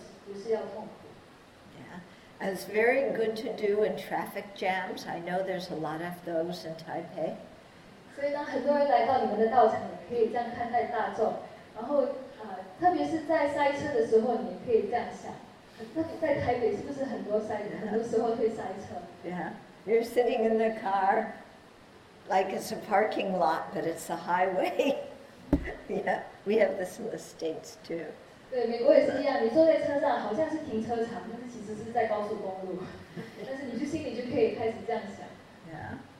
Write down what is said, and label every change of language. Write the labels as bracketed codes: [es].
[zh] 但是其实这种观想还是修心的法门，其实我们在所有很热闹的公共场所都可以运用到，就是看待每个人一直在那里想，他只是要快乐，不是痛苦。 [en] Yeah, it's very good to do in traffic jams. I know there's a lot of those in Taipei. [zh] 所以当很多人来到你们的道场，也可以这样看待大众，然后特别是在塞车的时候，你可以这样想。 [en] Yeah, you're sitting in the car, like it's a parking lot, but it's a highway. Yeah, we have this in the States too. Yeah.